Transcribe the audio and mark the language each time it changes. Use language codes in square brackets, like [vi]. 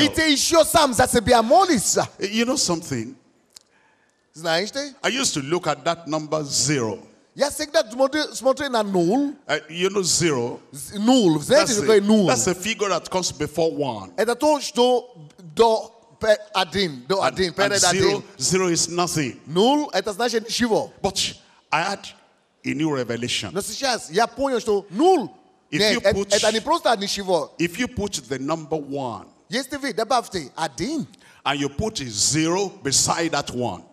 [ru] И ты еще сам за тебя молишься. [en] You know something? [ru] Знаешь ты? [en] I used to look at that number zero. [ru] Я всегда смотрю на ноль. [en] You know zero? [ru] Ноль. Знаешь, что такое ноль? [en] That's a figure that comes before one. [ru] Это то, что до один, до один, перед один. [en] Zero, zero is nothing. [ru] Ноль это значит ничего. [en] But I had a new revelation. [ru] Но сейчас я понял, что ноль. Это не просто ничего. [en] If you put the number one. [ru] Yes, ты видишь, добавь ты один. [en] And you put a zero beside that one.